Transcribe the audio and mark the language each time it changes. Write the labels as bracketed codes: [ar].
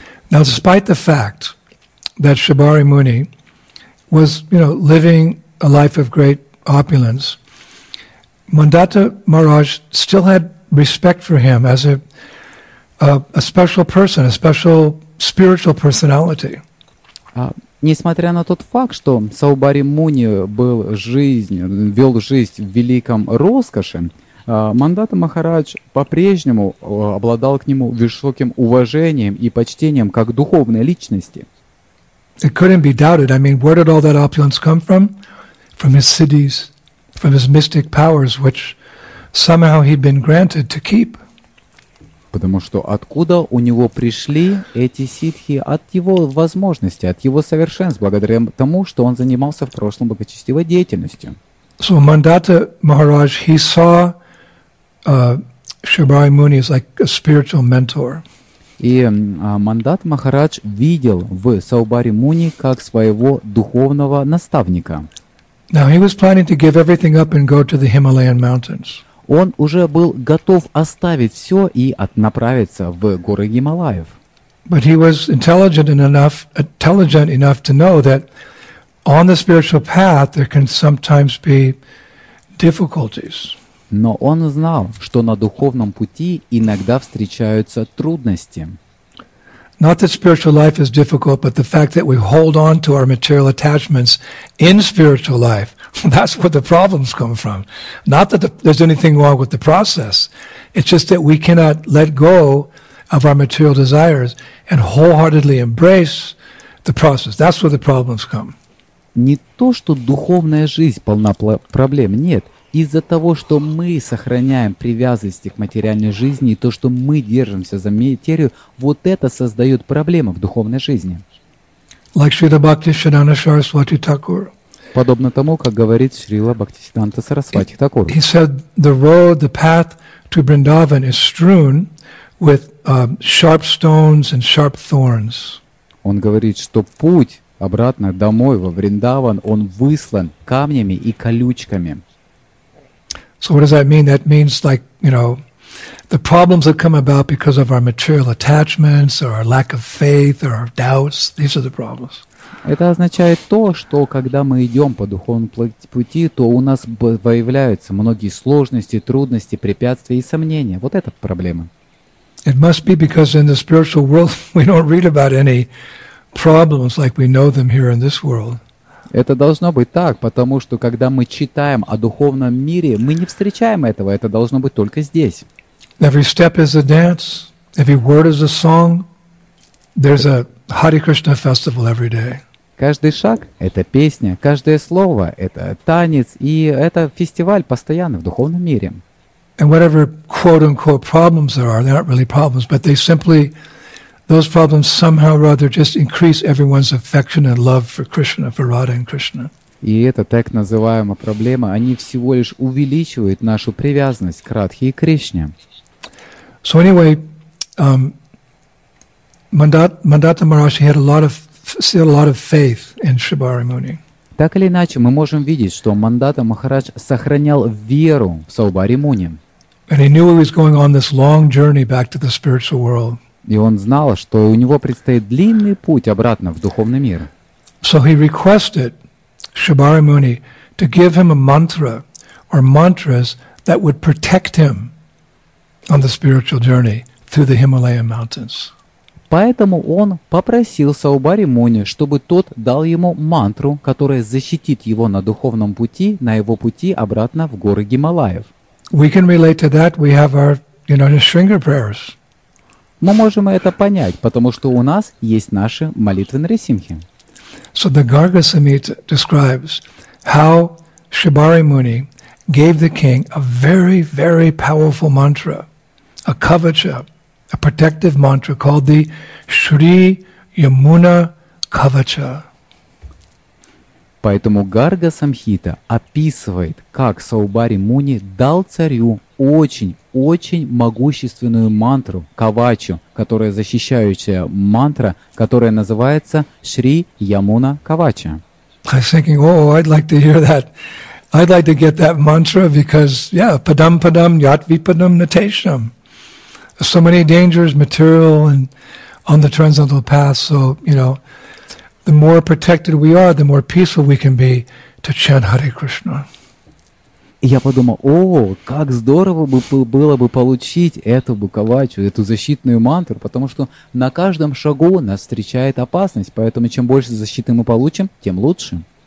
[en] Now, despite the fact that Shibari Muni was, you know, living a life of great opulence, Mandata Maharaj still had respect for him as a special person, a special spiritual personality. [ru] Несмотря на тот факт, что Саубари Муни был жизнь, вел жизнь в великом роскоши, Мандата Махарадж по-прежнему обладал к нему высоким уважением и почтением как духовной личности. [en] It couldn't be doubted. I mean, where did all that opulence come from? From his siddhis, from his mystic powers, which somehow he'd been granted to keep. [ru] Потому что откуда у него пришли эти ситхи? От его возможностей, от его совершенств, благодаря тому, что он занимался в прошлом благочестивой деятельностью. [en] So Mandata Maharaj, he saw Shibari Muni as like a spiritual mentor. [ru] И Мандата Махарадж видел в Саубари Муни как своего духовного наставника. [en] Now he was planning to give everything up and go to the Himalayan mountains. [ru] Он уже был готов оставить все и направиться в горы Гималаев. [en] But he was intelligent enough to know that on the spiritual path there can sometimes be difficulties. [ru] Но он знал, что на духовном пути иногда встречаются трудности. [en] Not that spiritual life is difficult, but the fact that we hold on to our material attachments in spiritual life. That's where the problems come from. Not that there's anything wrong with the process. It's just that we cannot let go of our material desires and wholeheartedly embrace the process. That's where the problems come. [ru] Не то, что духовная жизнь полна проблем. Нет. Из-за того, что мы сохраняем привязанности к материальной жизни и то, что мы держимся за материю, вот это создает проблемы в духовной жизни. [en] Like Shrila Bhaktisiddhanta Saraswati Thakur. [ru] Подобно тому, как говорит Шрила Бхактисиддханта Сарасвати Такур. [en] He said the road, the path to Vrindavan is strewn with sharp stones and sharp thorns. [ru] Он говорит, что путь обратно домой во Вриндаван, он выслан камнями и колючками. [en] So what does that mean? That means like, you know, the problems that come about because of our material attachments or our lack of faith or our doubts, these are the problems. [ru] Это означает то, что когда мы идем по духовному пути, то у нас появляются многие сложности, трудности, препятствия и сомнения. Вот это проблема. [en] It must be because in the spiritual world we don't read about any problems like we know them here in this world. [ru] Это должно быть так, потому что когда мы читаем о духовном мире, мы не встречаем этого. Это должно быть только здесь. [en] Every step is a dance. Every word is a song. There's a Hare Krishna festival every day. [ru] Каждый шаг – это песня, каждое слово – это танец, и это фестиваль постоянно в духовном мире. [en] And whatever quote-unquote problems there are, they're not really problems, but they simply, those problems somehow or other just increase everyone's affection and love for Krishna, for Radha and Krishna. [ru] И это так называемая проблема, они всего лишь увеличивают нашу привязанность к Радхе и Кришне. [en] So anyway, Mandata Maharaj, he had a lot of faith in Shibari Muni. [ru] Так или иначе, мы можем видеть, что Мандата Махарадж сохранял веру в Саубари Муни. [en] And he knew he was going on this long journey back to the spiritual world. [ru] И он знал, что у него предстоит длинный путь обратно в духовный мир. [en] So he requested Shibari Muni to give him a mantra or mantras that would protect him on the spiritual journey through the Himalayan mountains. [ru] Поэтому он попросил Саубари Муни, чтобы тот дал ему мантру, которая защитит его на духовном пути, на его пути обратно в горы Гималаев. [en] We can relate to that. We have our, you know, Нисринга prayers. [ru] Мы можем это понять, потому что у нас есть наши молитвы Нарисимхи. [en] So the Garga Samhita describes how Shibari Muni gave the king a very, very powerful mantra, a kavacha. A protective mantra called the Shri Yamuna Kavacha. [ru] Поэтому Гарга Самхита описывает, как Саубари Муни дал царю очень-очень могущественную мантру, кавачу, которая защищающая мантра, которая называется Шри Ямуна Кавача. [en] I was thinking, oh, I'd like to hear that. I'd like to get that mantra because, yeah, [sa] padam padam yatvipadam natesham. [en] So many dangers, material and on the transcendental path. So, you know, the more protected we are, the more peaceful we can be to chant Hare Krishna. [ru] И я подумал, о, как здорово бы было бы получить эту буковачу, эту защитную мантру, потому что на каждом шагу нас встречает опасность, поэтому чем больше защиты мы получим, тем лучше.